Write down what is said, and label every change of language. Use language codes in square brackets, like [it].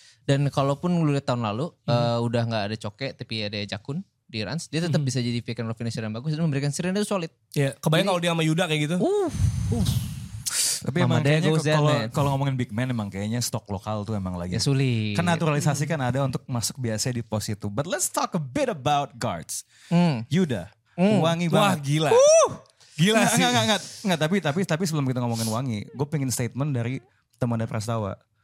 [id] Dan kalaupun lu lihat tahun lalu, udah gak ada Coke, tapi ada Jakun di runs, dia tetap bisa jadi pick and roll finisher yang bagus, dan memberikan serinya itu solid. Kebayang kalau dia sama Yuda kayak gitu. Tapi Mama emang kayaknya kalau ngomongin big man, emang kayaknya stok lokal tuh emang lagi. Ya sulit. Kan naturalisasi kan ada untuk masuk biasa di pos itu. [en] But let's talk a bit about guards. [id] Yuda, wangi banget. Wah gila. Gila sih. Enggak, tapi sebelum kita ngomongin wangi, gue pengen statement dari teman dari Prastawa.